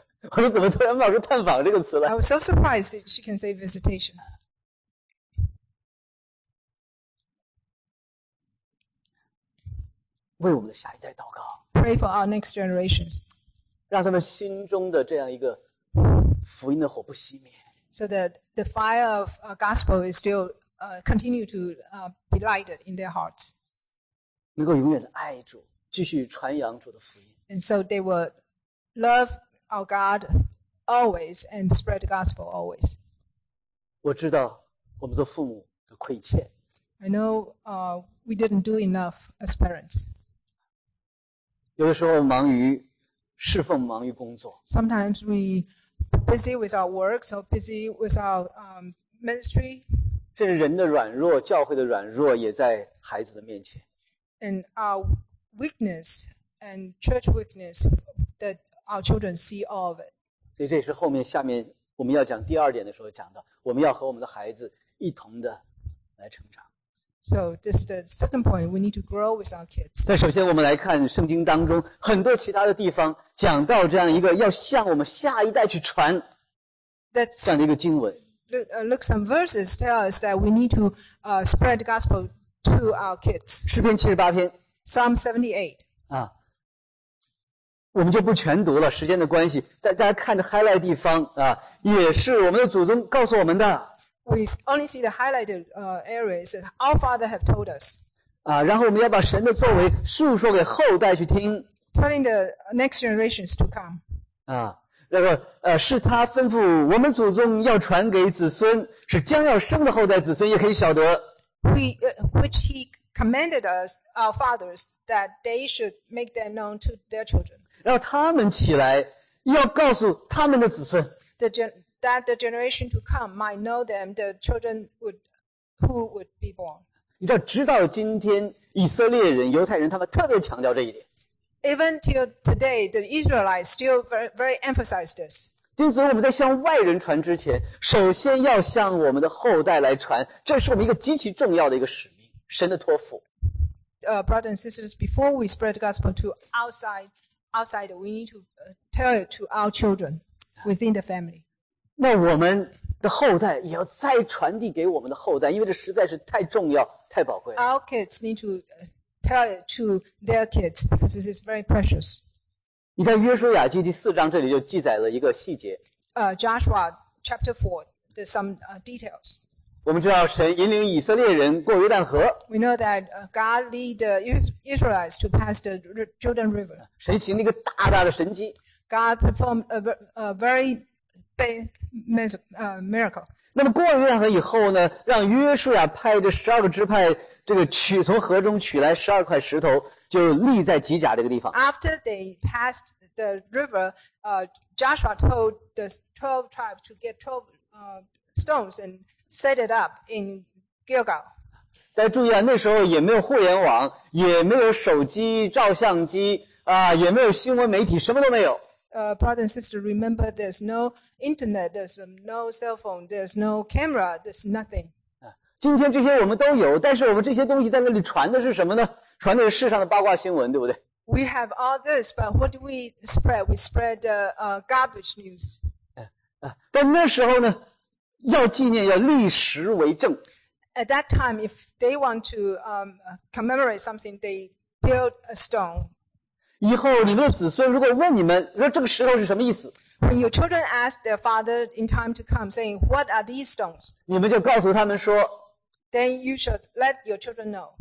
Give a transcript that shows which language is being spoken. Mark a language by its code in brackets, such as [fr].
[zh] 我说怎么突然冒出探访这个词来 [en] I was so surprised that she can say visitation [zh] 为我们的下一代祷告。 [en] Pray for our next generations. [zh] 让他们心中的这样一个福音的火不熄灭。 [en] So that the fire of gospel is still continue to be lighted in their hearts. [zh] 能够永远的爱主，继续传扬主的福音。 [en] And so they will love our God always and spread the gospel always. [zh] 我知道我们做父母的亏欠。 [en] I know we didn't do enough as parents. [zh] 有的时候忙于侍奉，忙于工作。 [en] Sometimes we busy with our work, so busy with our ministry. [zh] 这是人的软弱，教会的软弱也在孩子的面前。 [en] And our weakness and church weakness that our children see all of it. [zh] 所以这是后面下面我们要讲第二点的时候讲的，我们要和我们的孩子一同的来成长。 [en] So this is the second point. We need to grow with our kids. [zh] 那首先我们来看圣经当中很多其他的地方讲到这样一个要向我们下一代去传这样的一个经文。 [en] Look, some verses tell us that we need to spread the gospel to our kids. [zh] 诗篇78篇。 [en] Psalm 78. [zh] 啊，我们就不全读了，时间的关系。大家看着 highlight 地方啊，也是我们的祖宗告诉我们的。 [en] We only see the highlighted areas that our father have told us. [zh] 啊，然后我们要把神的作为述说给后代去听。 [en] Telling the next generations to come. [zh] 啊，那个是他吩咐我们祖宗要传给子孙，是将要生的后代子孙也可以晓得。 [en] Which he commanded us, our fathers, that they should make them known to their children. [zh] 然后他们起来要告诉他们的子孙。 [en] That the generation to come might know them, the children who would be born. [zh] 你知道，直到今天，以色列人、犹太人他们特别强调这一点。 [en] Even till today, the Israelites still very emphasize this. [zh] 因此，我们在向外人传之前，首先要向我们的后代来传，这是我们一个极其重要的一个使命，神的托付。 [en] Brothers and sisters, before we spread the gospel to outside, we need to tell it to our children within the family. [zh] 那我们的后代也要再传递给我们的后代，因为这实在是太重要、太宝贵了。 [en] Our kids need to tell it to their kids because this is very precious. [zh] 你看《约书亚记》第四章，这里就记载了一个细节。 [en] Joshua chapter 4, there's some details. [zh] 我们知道神引领以色列人过约旦河。 [en] We know that God lead the Israelites to pass the Jordan River. [zh] 神行了一个大大的神迹。 [en] God performed a very miracle. [zh] 那么过了约旦河以后呢，让约书亚派这十二个支派，这个取从河中取来十二块石头，就立在基甲这个地方。 [en] After they passed the river, Joshua told the 12 tribes to get 12 stones and set it up in Gilgal. [zh] 大家注意啊，那时候也没有互联网，也没有手机照相机啊，也没有新闻媒体，什么都没有。 [en] Brother and sister, remember there's no internet, there's no cell phone, there's no camera, there's nothing. [zh] 今天这些我们都有，但是我们这些东西在那里传的是什么呢？传的是世上的八卦新闻，对不对？ [en] We have all this, but what do we spread? We spread garbage news. [zh] 但那时候呢，要纪念，要历史为证。 [en] At that time, if they want to commemorate something, they build a stone. [zh] 以后你们的子孙如果问你们说这个石头是什么意思， [en] When your children ask their father in time to come saying what are these stones， [zh] 你们就告诉他们说， [en] Then you should let your children know，